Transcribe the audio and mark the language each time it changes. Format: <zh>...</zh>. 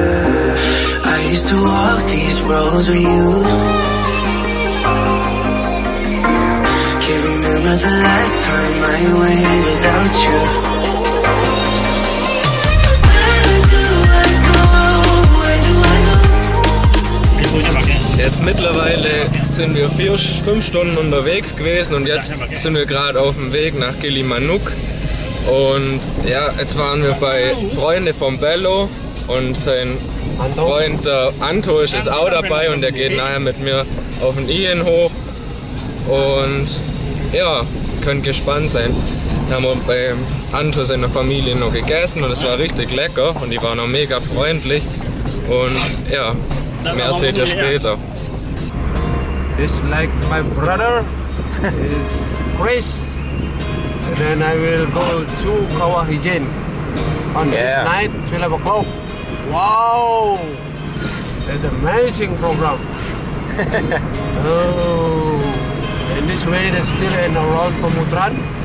<en>I used to walk these roads with you. Remember the last time I went without you.</en> <de>Jetzt mittlerweile sind wir 4-5 Stunden unterwegs gewesen und jetzt sind wir gerade auf dem Weg nach Kilimanjaro. Und ja, jetzt waren wir bei Freunde von Bello und sein Freund Anto ist jetzt auch dabei und der geht nachher mit mir auf den Ian hoch. Und ja, könnt gespannt sein. Da haben wir bei Anto seiner Familie noch gegessen und es war richtig lecker und die waren auch mega freundlich. Und ja, mehr seht ihr später.</de> <en>It's like my brother is Chris. And then I will go to Kawahijin on this night, 12 o'clock. Wow! An amazing program. Oh, in this way it's still in around Pemutran.</en>